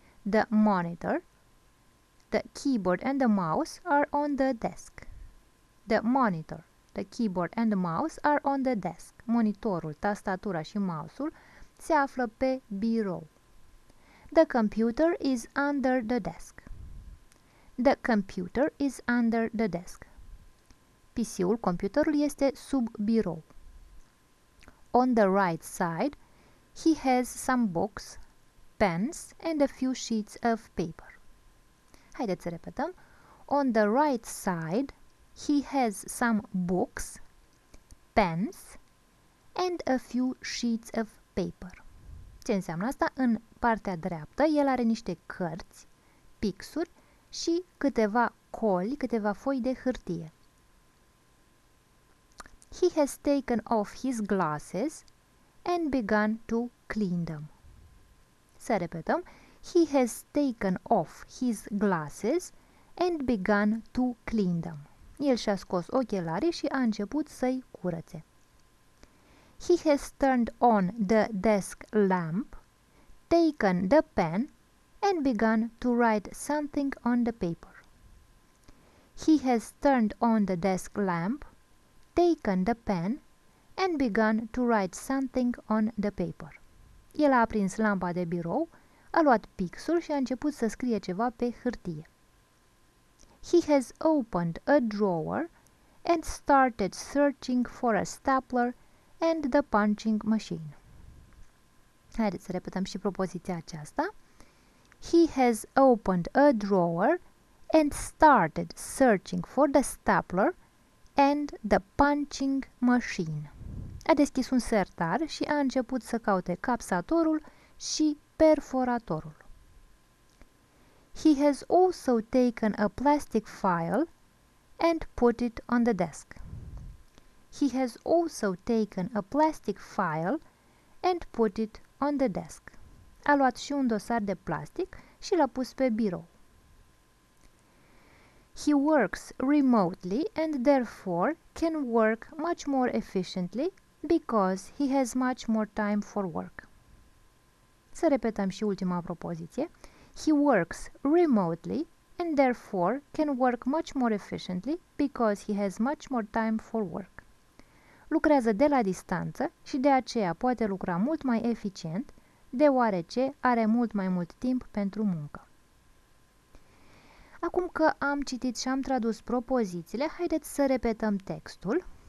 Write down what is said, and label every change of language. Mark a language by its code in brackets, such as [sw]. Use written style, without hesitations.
[en] The monitor, the keyboard and the mouse are on the desk. The monitor, the keyboard and the mouse are on the desk. [ro] Monitorul, tastatura și mouse-ul se află pe birou. [en] The computer is under the desk. The computer is under the desk. [ro] PC-ul, computerul, este sub birou. [en] On the right side, he has some books, pens and a few sheets of paper. [ro] Haideți să repetăm. [en] On the right side, he has some books, pens and a few sheets of paper. [ro] Ce înseamnă asta? În partea dreaptă, el are niște cărți, pixuri și câteva coli, câteva foi de hârtie. [en] He has taken off his glasses and begun to clean them. [ro] Să repetăm. [en] He has taken off his glasses and begun to clean them. [ro] El și-a scos ochelarii și a început să-i curățe. [en] He has turned on the desk lamp, taken the pen and begun to write something on the paper. He has turned on the desk lamp, taken the pen and begun to write something on the paper. [ro] El a aprins lampa de birou, a luat pixul și a început să scrie ceva pe hârtie. [en] He has opened a drawer and started searching for a stapler and the punching machine. [ro] Haideți să repetăm și propoziția aceasta. [en] He has opened a drawer and started searching for the stapler and the punching machine. [ro] A deschis un sertar și a început să caute capsatorul și perforatorul. [en] He has also taken a plastic file and put it on the desk. He has also taken a plastic file and put it on the desk. [ro] A luat și un dosar de plastic și l-a pus pe birou. [en] He works remotely and therefore can work much more efficiently because he has much more time for work. [ro] Să repetăm și ultima propoziție. [en] He works remotely and therefore can work much more efficiently because he has much more time for work. [ro] Lucrează de la distanță și de aceea poate lucra mult mai eficient deoarece are mult mai mult timp pentru muncă. Acum că am citit și am tradus propozițiile, haideți să repetăm textul.